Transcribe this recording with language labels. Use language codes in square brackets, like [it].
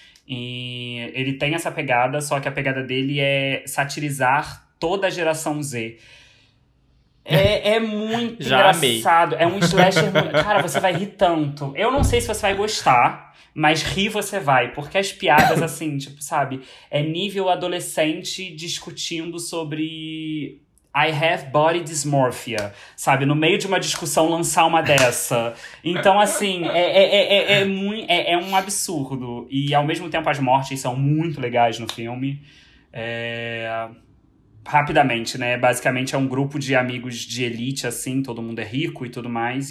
[pt] E ele tem essa pegada, só que a pegada dele é satirizar toda a geração Z. É muito Já amei. engraçado. É um slasher. Cara, você vai rir tanto. Eu não sei se você vai gostar, mas rir você vai. Porque as piadas, assim, tipo, sabe? É nível adolescente discutindo sobre. [en] I have body dysmorphia, [pt] sabe? No meio de uma discussão, lançar uma dessa. Então, assim, é um absurdo. E, ao mesmo tempo, as mortes são muito legais no filme. Rapidamente, né? Basicamente, é um grupo de amigos de elite, assim, todo mundo é rico e tudo mais.